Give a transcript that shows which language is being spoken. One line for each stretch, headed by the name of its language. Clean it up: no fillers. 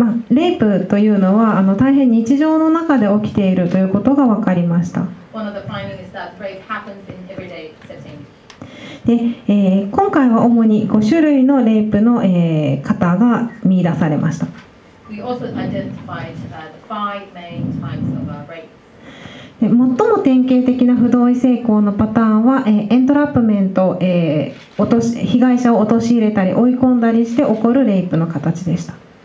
Japanese: レイプというのは大変日常の中で起きているということが分かりました。
English: One of the findings is that rape happens in everyday setting.
Japanese: で、今回は主に5種類のレイプの、方が見出されました。
English: We also identified, the five main types of, rape.
Japanese: で最も典型的な不同意性交のパターンは、エントラップメント、被害者を陥れたり追い込んだりして起こるレイプの形でした。